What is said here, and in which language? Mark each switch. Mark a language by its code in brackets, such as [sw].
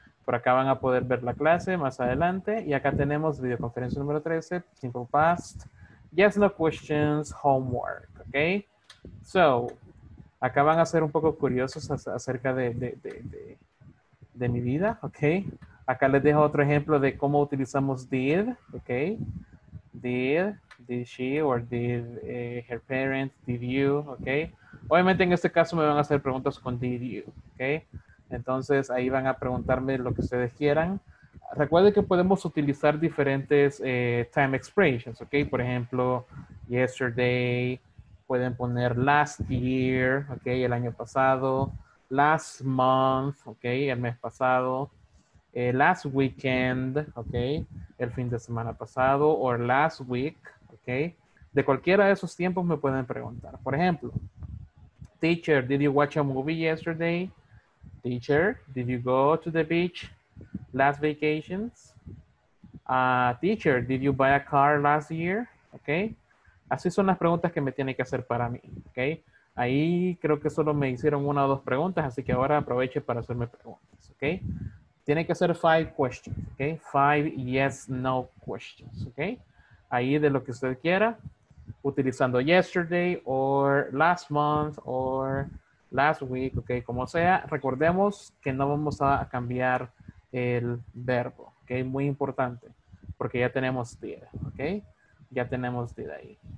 [es] Por acá van a poder ver la clase más adelante. Y acá tenemos videoconferencia número 13, [en] simple past, yes, no questions, homework, [es] ¿ok? So, acá van a ser un poco curiosos acerca de mi vida, ¿ok? Acá les dejo otro ejemplo de cómo utilizamos did, ¿ok? [en] Did she or did her parents, did you, ¿ok? [es] Obviamente en este caso me van a hacer preguntas con [en] did you, [es] ¿ok? Entonces, ahí van a preguntarme lo que ustedes quieran. Recuerden que podemos utilizar diferentes [en] time expressions, [es] ¿ok? Por ejemplo, [en] yesterday, [es] pueden poner [en] last year, [es] ¿ok? El año pasado, [en] last month, [es] ¿ok? El mes pasado, [en] last weekend, [es] ¿ok? El fin de semana pasado, [en] or last week, [es] ¿ok? De cualquiera de esos tiempos me pueden preguntar. [en] Por ejemplo, teacher, did you watch a movie yesterday? Teacher, did you go to the beach last vacations? Teacher, did you buy a car last year? Okay. [es] Así son las preguntas que me tienen que hacer para mí. Okay. Ahí creo que solo me hicieron una o dos preguntas, así que ahora aproveche para hacerme preguntas. Okay. Tienen que hacer [en] 5 questions. [es] Okay. [en] 5 yes, no questions. [es] Okay. Ahí de lo que usted quiera, utilizando [en] yesterday or last month or last week, [es] ok, como sea, recordemos que no vamos a cambiar el verbo, ok, muy importante, porque ya tenemos did, ok, ya tenemos did ahí.